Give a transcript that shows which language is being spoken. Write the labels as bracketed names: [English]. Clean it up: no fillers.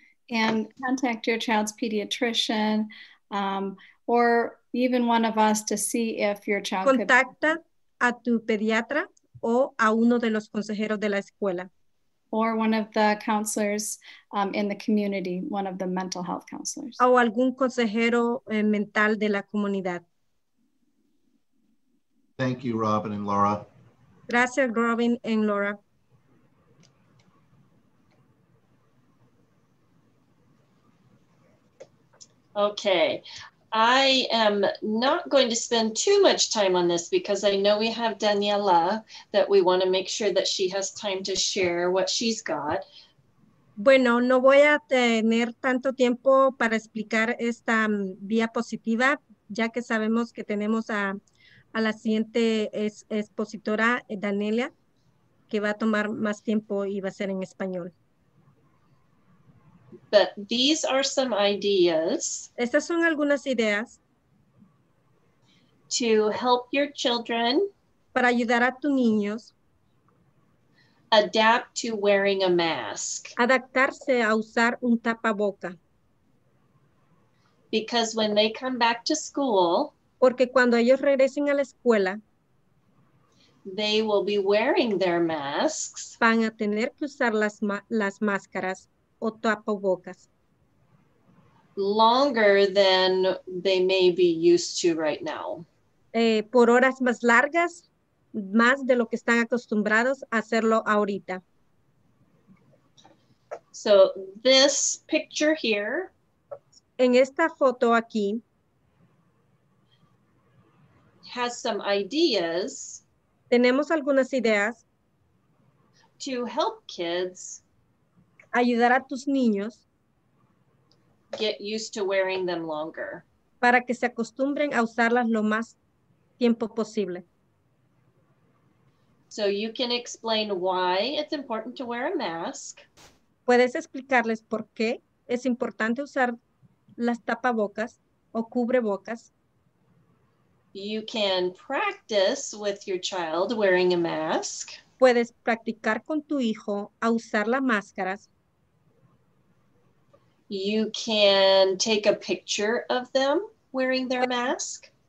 [English] And contact your child's pediatrician or even one of us to see if your child [Spanish] contacta [English] could... [Spanish] a tu pediatra o a uno de los consejeros de la escuela. [English] Or one of the counselors in the community, one of the mental health counselors. [Spanish] O algún consejero mental de la comunidad. [English] Thank you, Robin and Laura. [Spanish] Gracias, Robin and Laura. [English] Okay, I am not going to spend too much time on this because I know we have Daniela that we want to make sure that she has time to share what she's got. [Spanish] Bueno, no voy a tener tanto tiempo para explicar esta diapositiva, ya que sabemos que tenemos a la siguiente expositora, Daniela, que va a tomar más tiempo y va a ser en español. [English] But these are some ideas. [Spanish] Estas son algunas ideas. [English] To help your children. [Spanish] Para ayudar a tus niños. [English] Adapt to wearing a mask. [Spanish] Adaptarse a usar un tapaboca. [English] Because when they come back to school. [Spanish] Porque cuando ellos regresen a la escuela. [English] They will be wearing their masks. [Spanish] Van a tener que usar las máscaras. O tapabocas. [English] Longer than they may be used to right now. [Spanish] Por horas más largas, más de lo que están acostumbrados a hacerlo ahorita. [English] So this picture here. [Spanish] En esta foto aquí. [English] Has some ideas. [Spanish] Tenemos algunas ideas. [English] To help kids. [Spanish] Ayudar a tus niños. [English] Get used to wearing them longer. [Spanish] Para que se acostumbren a usarlas lo más tiempo posible. [English] So you can explain why it's important to wear a mask. [Spanish] Puedes explicarles por qué es importante usar las tapabocas o cubrebocas. [English] You can practice with your child wearing a mask. [Spanish] Puedes practicar con tu hijo a usar las máscaras. [English] You can take a picture of them wearing their mask.